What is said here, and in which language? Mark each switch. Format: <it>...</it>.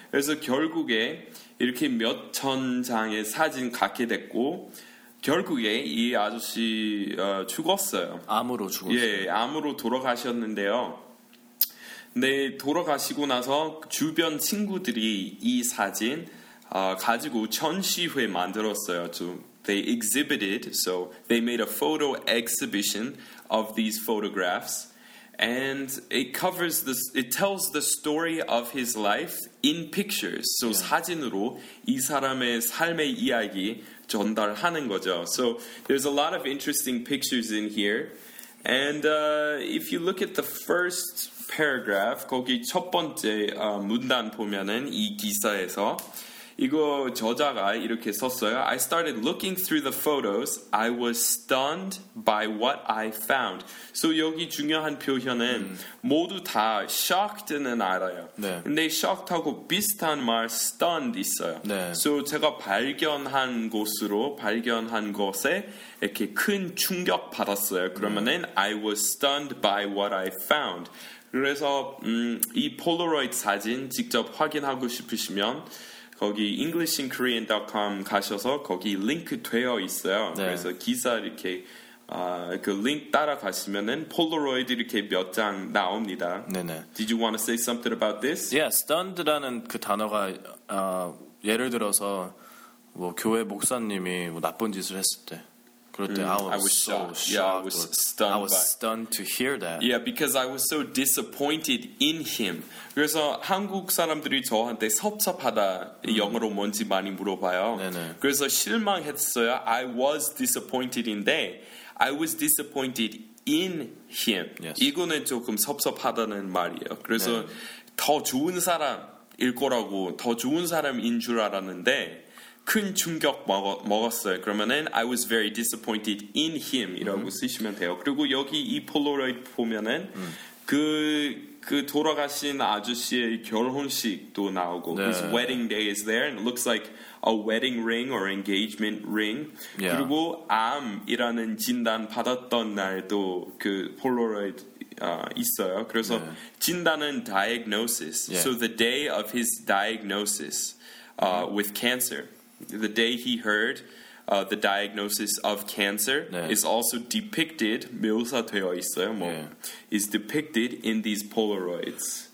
<ko>그래서 결국에 이렇게 몇천 장의 사진 갖게 됐고 결국에 이 아저씨 죽었어요. 암으로 죽었어요. 예, 암으로 돌아가셨는데요. 네, 돌아가시고 나서 주변 친구들이 이 사진 가지고 전시회 만들었어요.</ko> <en>They exhibited, so they made a photo exhibition of these photographs, and it covers this. It tells the story of his life in pictures. So yeah.</en> <ko>사진으로 이 사람의 삶의 이야기 전달하는 거죠.</ko> <en>So there's a lot of interesting pictures in here, and if you look at the first paragraph,</en> <ko>거기 첫 번째 문단 보면은 이 기사에서. 이거 저자가 이렇게 썼어요.</ko> <en>I started looking through the photos. I was stunned by what I found.</en> <ko>So 여기 중요한 표현은 모두 다 shocked는 알아요. 네. 근데 shocked하고 비슷한 말 stunned 있어요. 네. So 제가 발견한 곳으로 발견한 것에 이렇게 큰 충격 받았어요.</ko> <en>그러면은 I was stunned by what I found.</en> <ko>그래서 이 폴라로이드 사진 직접 확인하고 싶으시면 거기 EnglishinKorean.com 가셔서 거기 링크 되어 있어요. 네. 그래서 기사 이렇게 그 링크 따라가시면은 폴라로이드 이렇게 몇 장 나옵니다. 네네.</ko> <en>Did you want to say something about this?</en> <ko>Yeah, stunned라는 그 단어가 예를 들어서 뭐 교회 목사님이 뭐 나쁜 짓을 했을 때</ko> <en>I was so shocked. I was stunned to hear that. Yeah, because I was so disappointed in him.</en> <ko>그래서 한국 사람들이 저한테 섭섭하다 영어로 뭔지 많이 물어봐요. 네네. 그래서 실망했어요.</ko> <en>I was disappointed인데 I was disappointed in him. Yes.</en> <ko>이거는 조금 섭섭하다는 말이에요. 그래서 네. 더 좋은 사람일 거라고 더 좋은 사람인 줄 알았는데 큰 충격 먹었어요.</ko> <en>그러면은 I was very disappointed in him</en> <ko>이라고 쓰시면 돼요. 그리고 여기 이 폴라로이드 보면은 그 돌아가신 아저씨의 결혼식도 나오고 네.</ko> <en>His wedding day is there and it looks like a wedding ring or engagement ring. Yeah.</en> <ko>그리고 암이라는 진단 받았던 날도 그 폴라로이드 있어요. 그래서 네. 진단은 diagnosis.</ko> <en>Yeah. So the day of his diagnosis with cancer. The day he heard the diagnosis of cancer</en> <ko>네.</ko> <en>is also depicted,</en> <ko>묘사되어 있어요, 뭐, 네.</ko> <en>is depicted in these Polaroids.</en>